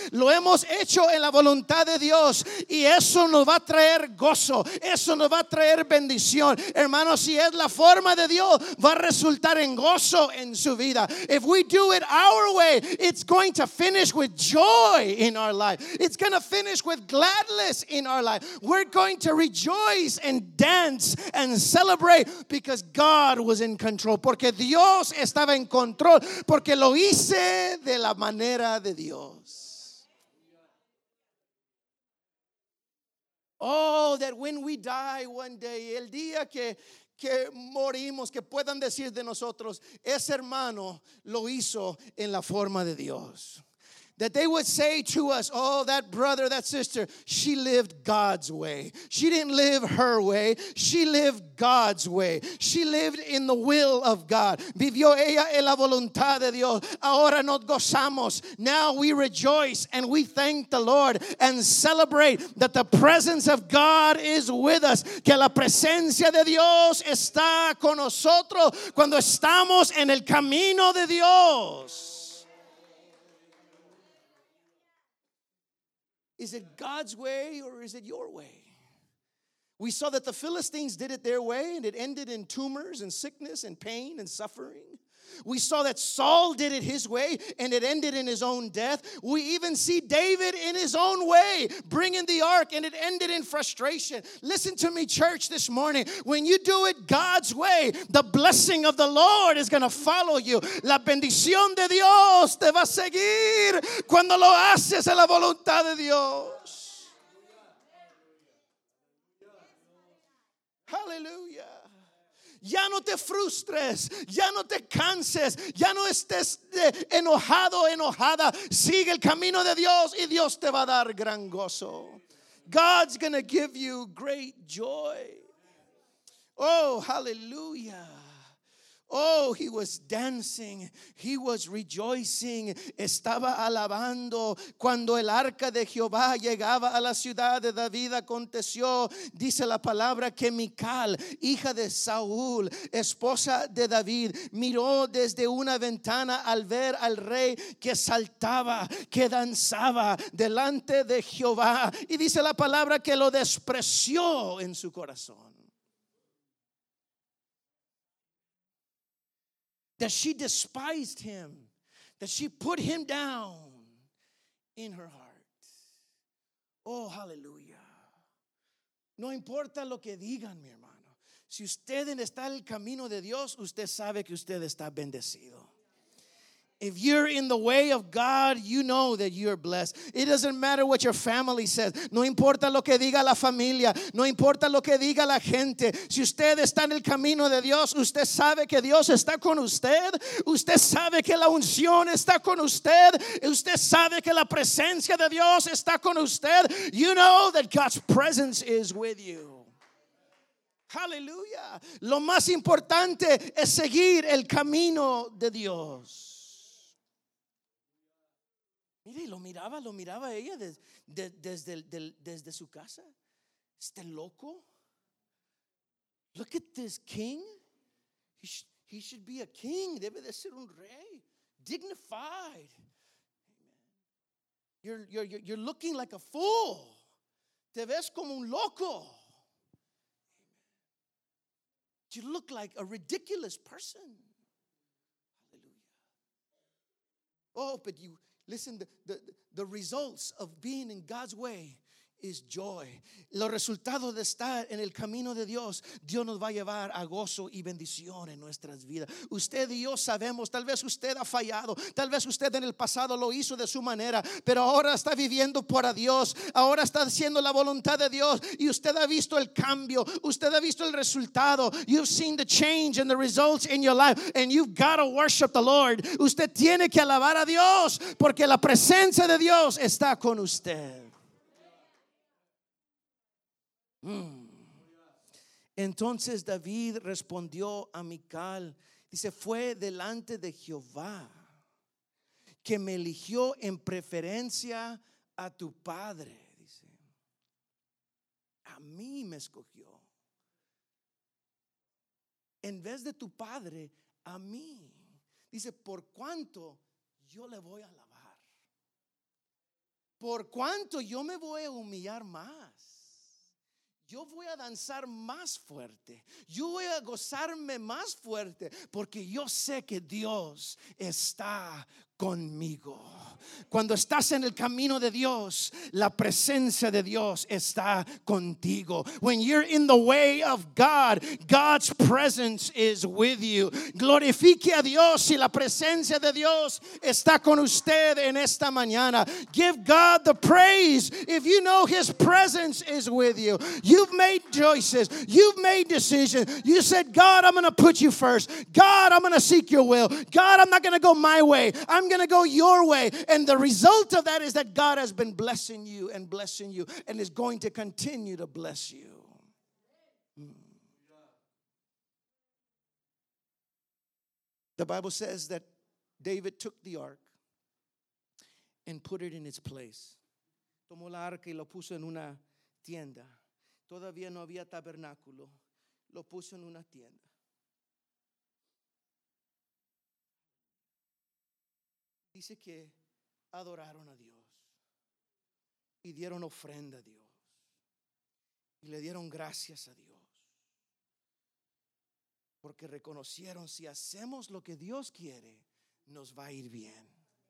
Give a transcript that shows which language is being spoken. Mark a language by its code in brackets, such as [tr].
[es] Lo hemos hecho en la voluntad de Dios. Y eso nos va a traer gozo. Eso nos va a traer bendición. Hermano, si es la forma de Dios, va a resultar en gozo en su vida. [en] If we do it our way, it's going to finish with joy in our life. It's going to finish with gladness. In our life, we're going to rejoice and dance and celebrate because God was in control. [es] Porque Dios estaba en control. Porque lo hice de la manera de Dios. [en] Oh, that when we die one day, [es] el día que morimos, que puedan decir de nosotros, ese hermano lo hizo en la forma de Dios. [en] That they would say to us, oh, that brother, that sister, she lived God's way. She didn't live her way. She lived God's way. She lived in the will of God. [es] Vivió ella en la voluntad de Dios. Ahora nos gozamos. [en] Now we rejoice and we thank the Lord and celebrate that the presence of God is with us. [es] Que la presencia de Dios está con nosotros cuando estamos en el camino de Dios. [en] Is it God's way or is it your way? We saw that the Philistines did it their way and it ended in tumors and sickness and pain and suffering. We saw that Saul did it his way and it ended in his own death. We even see David in his own way bringing the ark and it ended in frustration. Listen to me, church, this morning. When you do it God's way, the blessing of the Lord is going to follow you. [es] La bendición de Dios te va a seguir cuando lo haces en la voluntad de Dios. Hallelujah. Ya no te frustres, ya no te canses, ya no estés enojado, enojada. Sigue el camino de Dios y Dios te va a dar gran gozo. [en] God's going to give you great joy. Oh, hallelujah. Oh, he was dancing. He was rejoicing. [es] Estaba alabando. Cuando el arca de Jehová llegaba a la ciudad de David, aconteció, dice la palabra, que Mical, hija de Saúl, esposa de David, miró desde una ventana al ver al rey que saltaba, que danzaba delante de Jehová. Y dice la palabra que lo despreció en su corazón. [en] That she despised him, that she put him down in her heart. [es] Oh, hallelujah. No importa lo que digan, mi hermano. Si usted está en el camino de Dios, usted sabe que usted está bendecido. [en] If you're in the way of God, you know that you're blessed. It doesn't matter what your family says. [es] No importa lo que diga la familia. No importa lo que diga la gente. Si usted está en el camino de Dios, usted sabe que Dios está con usted. Usted sabe que la unción está con usted. Usted sabe que la presencia de Dios está con usted. [en] You know that God's presence is with you. Hallelujah. [es] Lo más importante es seguir el camino de Dios. Mire, lo miraba ella desde su casa. Este loco. [en] Look at this king. He should be a king. [es] Debe de ser un rey. [en] Dignified. You're looking like a fool. [es] Te ves como un loco. [en] You look like a ridiculous person. Hallelujah. Oh, but you... Listen, the results of being in God's way is joy. [es] Los resultados de estar en el camino de Dios, Dios nos va a llevar a gozo y bendición en nuestras vidas. Usted y yo sabemos, tal vez usted ha fallado, tal vez usted en el pasado lo hizo de su manera, pero ahora está viviendo para Dios, ahora está haciendo la voluntad de Dios y usted ha visto el cambio, usted ha visto el resultado. [en] You've seen the change and the results in your life and you've got to worship the Lord. [es] Usted tiene que alabar a Dios porque la presencia de Dios está con usted. Entonces David respondió a Mical, dice, fue delante de Jehová que me eligió en preferencia a tu padre, dice. A mí me escogió. En vez de tu padre, a mí. Dice, por cuanto yo le voy a alabar. Por cuanto yo me voy a humillar más. Yo voy a danzar más fuerte. Yo voy a gozarme más fuerte. Porque yo sé que Dios está conmigo. Cuando estás en el camino de Dios, la presencia de Dios está contigo. [en] When you're in the way of God, God's presence is with you. [es] Glorifique a Dios si la presencia de Dios está con usted en esta mañana. [en] Give God the praise if you know His presence is with you. You've made choices. You've made decisions. You said, God, I'm going to put you first. God, I'm going to seek your will. God, I'm not going to go my way. I'm going to go your way. And the result of that is that God has been blessing you and is going to continue to bless you. The Bible says that David took the ark and put it in its place. [es] Tomó la arca y lo puso en una tienda. Todavía no había tabernáculo. Lo puso en una tienda. Dice que adoraron a Dios y dieron ofrenda a Dios y le dieron gracias a Dios porque reconocieron, si hacemos lo que Dios quiere, nos va a ir bien.